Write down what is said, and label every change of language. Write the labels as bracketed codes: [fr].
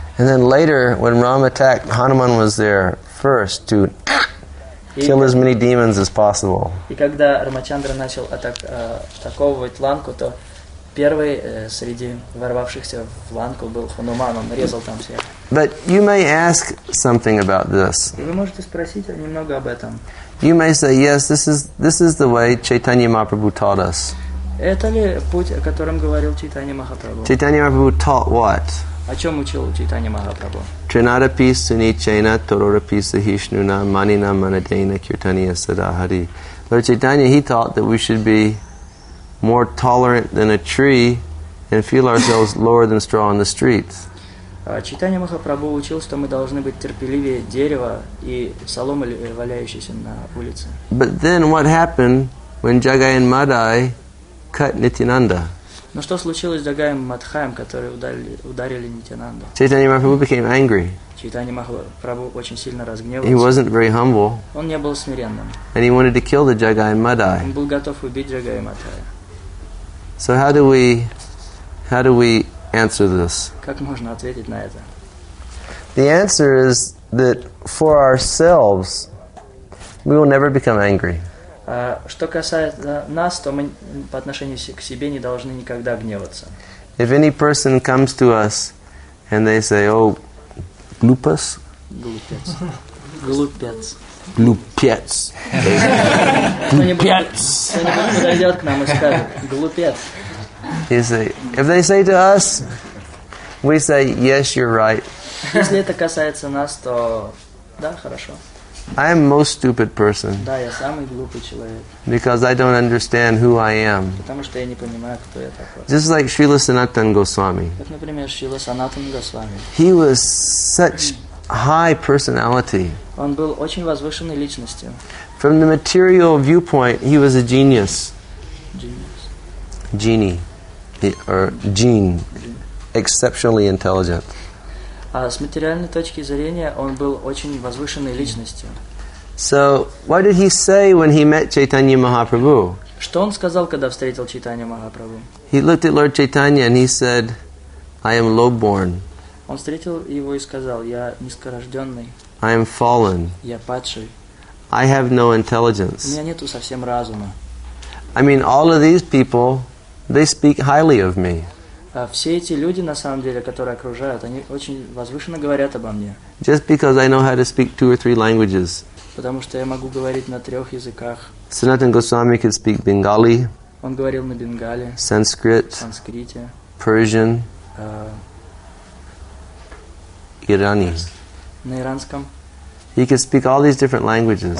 [en] And then later, when Ram attacked, Hanuman was there first to kill as many demons as possible. [ru] И когда Рамачандра начал атаковывать Ланку, то первый среди ворвавшихся в Ланку был Хануман, он резал там всех. [en] But you may ask something about this. [ru] Вы можете спросить немного об этом. [en] You may say, yes, this is the way Chaitanya Mahaprabhu taught us. [ru] Это ли путь, о котором говорил Чайтанья Махапрабху? [en] Чайтанья Махапрабху taught what? [ru] О чем учил Чайтанья Махапрабху? [sa] Тринадапи суничейна торорапи сахишнуна манина манадейна киртанья садахари. [en] Lord Chaitanya, he taught that we should be more tolerant than a tree and feel ourselves lower than straw on the streets. [ru] Чайтанья Махапрабху учил, что мы должны быть терпеливее дерева и соломы, валяющейся на улице. [en] But then what happened when Jagai and Madai cut Nityananda. [ru] Но что случилось с Джагаем Мадхаем, которые ударили Нитянанду? [en] Чайтанья Махапрабху became angry. [ru] Чайтанья Махапрабху очень сильно разгневался. [en] He wasn't very humble. [ru] Он не был смиренным. [en] And he wanted to kill the Jagai and Madai. [ru] Он был готов убить Джагая и Мадхая. [en] So how do we answer this? [ru] Как можно ответить на это? [en] The answer is that for ourselves, we will never become angry. [ru] Что касается нас, то мы по отношению к себе не должны никогда гневаться. [en] If any person comes to us and they say, oh, glupas? [ru] Глупец. Глупец. Глупец. Глупец. Кто-нибудь подойдет к нам и скажет, глупец. [en] If they say to us, we say, yes, you're right. [ru] Если это касается нас, то да, хорошо. [en] I am most stupid person. [ru] Да, я самый глупый человек. [en] Because I don't understand who I am. [ru] Потому что я не понимаю, кто я такой. [en] Just like Srila Sanatana Goswami. [ru] Как, например, Srila Sanatana Goswami. [en] He was such high personality. [ru] Он был очень возвышенной личностью. [en] From the material viewpoint, he was a genius. Genius. Genie. Or gene. Exceptionally intelligent. [ru] С материальной точки зрения он был очень возвышенной личностью. [en] So, what did he say when he met Chaitanya Mahaprabhu? [ru] Что он сказал, когда встретил Чайтанью Махапрабху? [en] He looked at Lord Chaitanya and he said, I am low-born. [ru] Он встретил его и сказал, я низкорожденный. [en] I am fallen. [ru] Я падший. [en] I have no intelligence. [ru] У меня нету совсем разума. [en] I mean, all of these people, they speak highly of me. [ru] Все эти люди, на самом деле, которые окружают, они очень возвышенно говорят обо мне. [en] Just because I know how to speak two or three languages. [ru] Потому что я могу говорить на трех языках. [en] Sanatana Goswami could speak Bengali. [ru] Он говорил на Бенгали. [en] Sanskrit. [ru] Санскрите. [en] Persian. Irani. [ru] На иранском. [en] He could speak all these different languages.